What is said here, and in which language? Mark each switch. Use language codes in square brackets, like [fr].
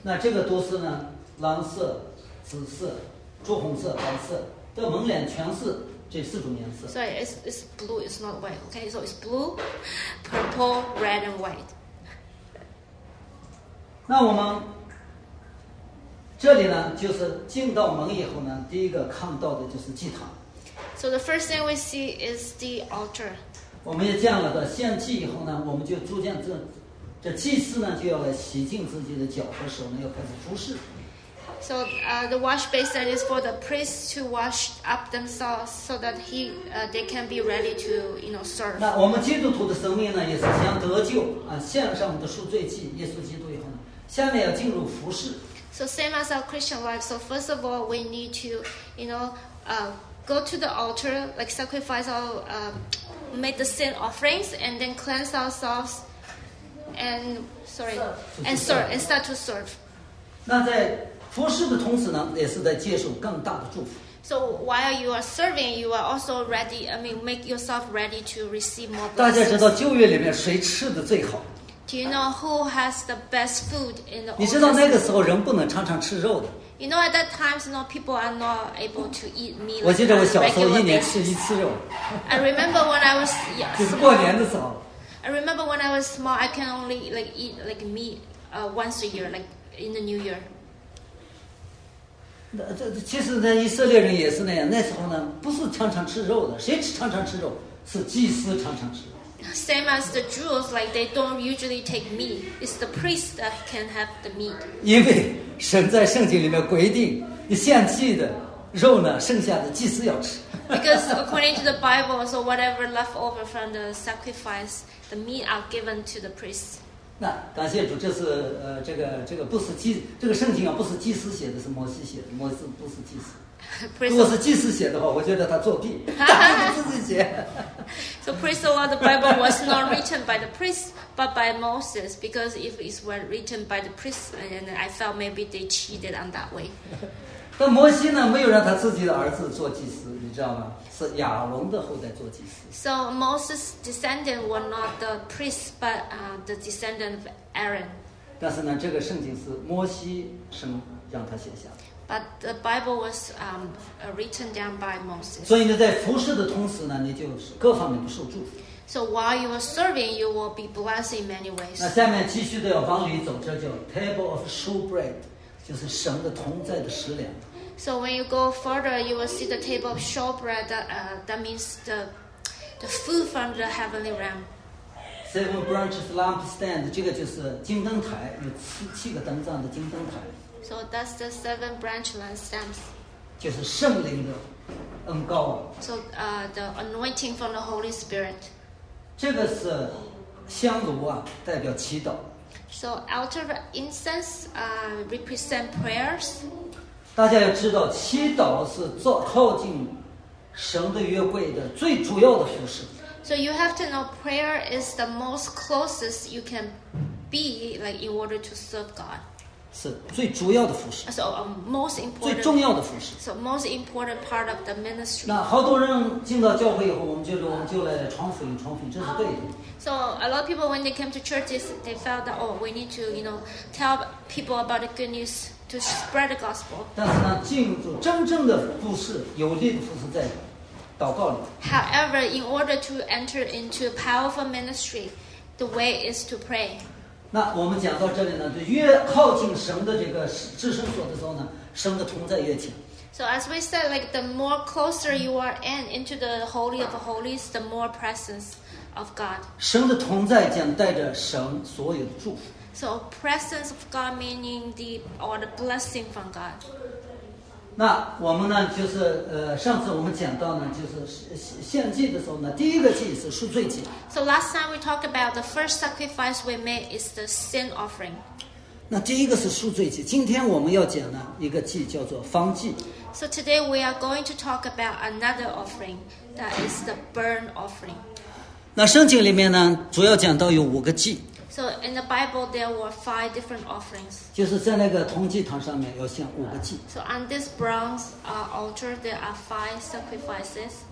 [zh] 那这个都是呢，蓝色、紫色、朱红色、白色。这门帘全是。 [en] Sorry, it's blue, it's not white. Okay, so it's blue, purple, red, and white. [zh] 那我们这里呢，就是进到门以后呢，第一个看到的就是祭坛。 [en] So the first thing we see is the altar. [zh] 我们也见了的献祭以后呢，我们就逐渐这祭司呢就要来洗净自己的脚和手呢，要开始服侍。 [en] So the wash basin is for the priests to wash up themselves so that they can be ready to, you know, serve. [zh] 那我们基督徒的生命呢，也是先得救啊，献上我们的赎罪祭，耶稣基督以后呢，下面要进入服事。 [en] So same as our Christian life. So first of all, we need to, you know, go to the altar, like sacrifice our, make the sin offerings, and then cleanse ourselves, and start to serve. [zh] 那在服侍的同时呢，也是在接受更大的祝福。 [en] So while you are serving, you are also ready. I mean, make yourself ready to receive more. [zh] 大家知道旧约里面谁吃的最好 [en] ？Do you know who has the best food in the Old Testament? [zh] 你知道那个时候人不能常常吃肉的。 [en] You know, at that time, you know, people are not able to eat meat. [zh] 我记得我小时候一年吃一次肉。 [en] I remember when I was small. [zh] 就是过年的时候。 [en] I remember when I was small, I can only eat meat once a year, like in the New Year. [zh] 其实呢，以色列人也是那样。那时候呢，不是常常吃肉的，谁常常吃肉？是祭司常常吃。 [en] Same as the Jews, like they don't usually take meat. It's the priest that can have the meat. [zh] 因为神在圣经里面规定，你献祭的肉呢，剩下的祭司要吃。 [en] Because according to the Bible, so whatever left over from the sacrifice, the meat are given to the priest. [zh] 那感谢主，这是这个不是祭，这个圣经啊不是祭司写的，是摩西写的，摩西不是祭司。如果是祭司写的话，我觉得他作弊，他自己写。 [en] So priest of the Bible was not written by the priest but by Moses, because if it was written by the priest, and I felt maybe they cheated on that way. [zh] 但摩西呢，没有让他自己的儿子做祭司，你知道吗？是亚伦的后代做祭司。 [en] So Moses' descendant were not the priests, but the descendant of Aaron. [zh] 但是呢，这个圣经是摩西神让他写下的。 [en] But the Bible was written down by Moses. [zh] 所以呢，在服侍的同时呢，你就是各方面都受祝福。 [en] So while you are serving, you will be blessed in many ways. [zh] 那下面继续的要往里走，这叫 [en] Table of Showbread, [zh] 就是神的同在的食粮。 [en] So when you go further, you will see the table of showbread. That means the food from the heavenly realm. Seven branches lampstand. [zh] 这个就是金灯台，有七个灯状的金灯台。 [en] So that's the seven branch lampstands. [zh] 就是圣灵的恩膏。 [en] So the anointing from the Holy Spirit. [zh] 这个是香炉啊，代表祈祷。 [en] So altar incense represent prayers. [zh] 大家要知道，祈祷是靠近神的约柜的最主要的服事。 [en] So you have to know prayer is the most closest you can be, like in order to serve God. [zh] 是最主要的服事。 [en] So, most important, [zh] 最重要的服事。 [en] So, most important part of the ministry. [zh] 那好多人进到教会以后，我们就来传福音，传福音，这是对的。 [en] So, a lot of people when they came to churches, they felt that, oh, we need to, you know, tell people about the good news to spread the gospel. [zh] 但是呢，进入真正的服事，有力的服事在祷告里。 [en] However, in order to enter into powerful ministry, the way is to pray. [zh] 那我们讲到这里呢，就越靠近神的这个至圣所的时候呢，神的同在越强。 [en] So as we said, like the more closer you are in into the holy of holies, the more presence of God. [zh] 神的同在将带着神所有的祝福。 [en] So presence of God meaning the or the blessing from God. [zh] 那我们呢，就是上次我们讲到呢，就是献祭的时候呢，第一个祭是赎罪祭。 [en] So last time we talked about the first sacrifice we made is the sin offering. [zh] 那第一个是赎罪祭，今天我们要讲呢一个祭叫做燔祭。 [en] So today we are going to talk about another offering that is the burnt offering. [zh] 那圣经里面呢，主要讲到有五个祭。 [en] So in the Bible, there were five different offerings. [zh] 就是在那个铜祭坛上面要献五个祭。 [en] So on this bronze altar, there are five sacrifices.